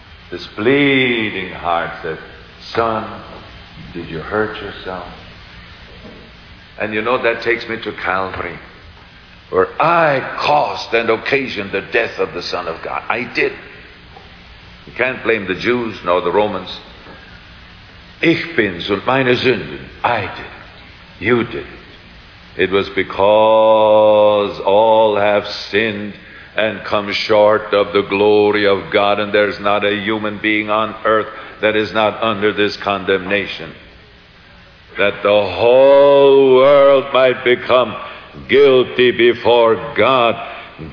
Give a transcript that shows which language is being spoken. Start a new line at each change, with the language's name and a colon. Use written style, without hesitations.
English: This bleeding heart said, son, did you hurt yourself? And you know, that takes me to Calvary, where I caused and occasioned the death of the Son of God. I did. You can't blame the Jews nor the Romans.
German: Ich bin's und meine Sünden.
English: I did it. You did it. It was because all have sinned and come short of the glory of God, and there's not a human being on earth that is not under this condemnation. That the whole world might become guilty before God.